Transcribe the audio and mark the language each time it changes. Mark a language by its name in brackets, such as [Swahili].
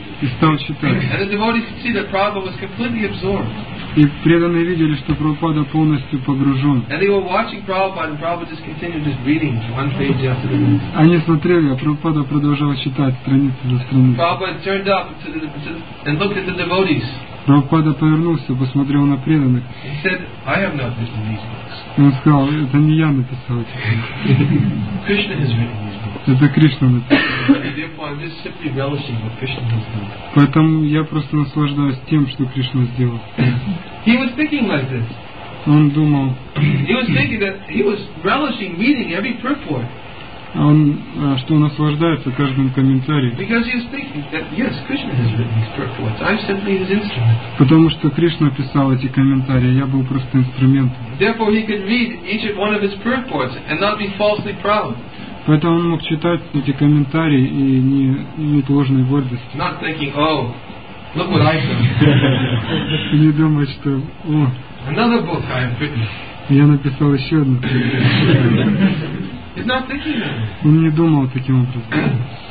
[English] And the devotees could see that Prabhupada was completely absorbed. [Russian] И преданные видели, что Прабхупада полностью погружен. [English] And they were watching Prabhupada, and Prabhupada just continued his reading one page after the next. [Russian] Они смотрели, а Прабхупада продолжал читать страницу за страницей. [English] Prabhupada turned up and looked at the devotees. [Russian] Прабхупада повернулся, посмотрел на преданных. [English] He said, I have not written these books. [Russian] Он сказал, это не я написал эти книги. Это Кришна написал. Поэтому я просто наслаждаюсь тем, что Кришна сделал. [English] He was thinking like this. [Russian] Он думал. [English] He was thinking that he was relishing reading every purport. [Russian] Он что наслаждается каждым комментарием. [English] Because he was thinking that yes, Krishna has written these purports. I'm simply his instrument. [Russian] Потому что Кришна писал эти комментарии, я был просто инструментом. [English] Therefore, he could read each one of his purports and not be falsely proud. [Russian] Поэтому он мог читать эти комментарии и не иметь ложной гордости. [English] Not thinking, oh, look what I said. [Russian] Не думать, что о. [English] Another book I have written. [Russian] Я написал еще одну. [English] He's not thinking that. [Russian] Он не думал таким образом.